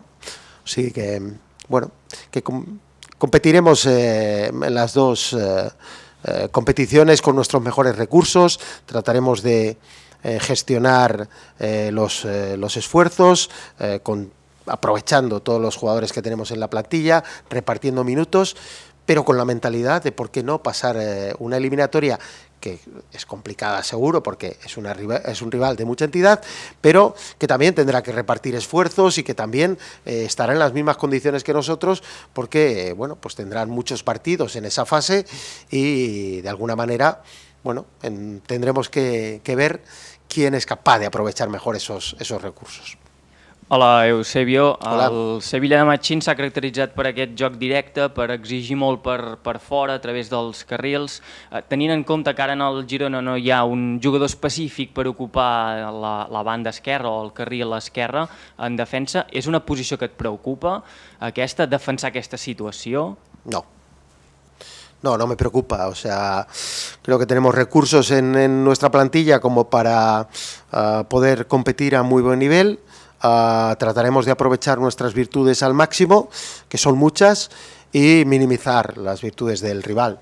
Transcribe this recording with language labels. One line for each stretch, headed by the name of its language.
Catalan: O sigui que competirem en les dues competicions amb els nostres millors recursos,
Spanish: trataremos de gestionar los esfuerzos, aprovechando todos los jugadores que tenemos en la plantilla, repartiendo minutos, pero con la mentalidad de por qué no pasar una eliminatoria que es complicada, seguro, porque es un rival de mucha entidad, pero que también tendrá que repartir esfuerzos y que también estará en las mismas condiciones que nosotros, porque bueno, pues tendrán muchos partidos en esa fase y de alguna manera bueno, tendremos que ver quién es capaz de aprovechar mejor esos recursos. Hola, Eusebio. Hola.
Catalan: El Sevilla de Machín s'ha caracteritzat per aquest joc directe, per exigir molt per fora, a través dels carrils. Tenint en compte que ara en el Girona no hi ha un jugador específic per ocupar la banda esquerra o el carril esquerre en defensa, és una posició que et preocupa, aquesta, defensar aquesta situació?
Spanish: No me preocupa. O sea, creo que tenemos recursos en nuestra plantilla como para poder competir a muy buen nivel. Trataremos de aprovechar nuestras virtudes al máximo, que son muchas, y minimizar las virtudes del rival.